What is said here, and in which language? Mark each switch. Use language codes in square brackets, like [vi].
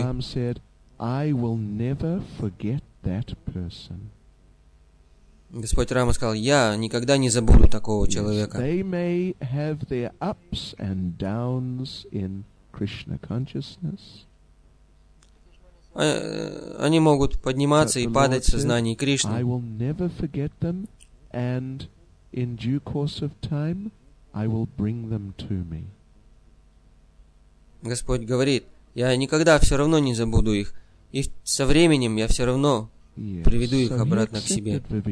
[en] Lord Ram said, "I will never forget that person." [ru] Господь Рама сказал: "Я никогда не забуду такого человека." [en] They may have their ups and downs in Krishna consciousness. [ru] Они могут подниматься и падать в сознании Кришны. [en] I will never forget them, and in due course of time, I will bring them to me. [ru] Господь говорит, я никогда все равно не забуду их, и со временем я все равно приведу их обратно к себе.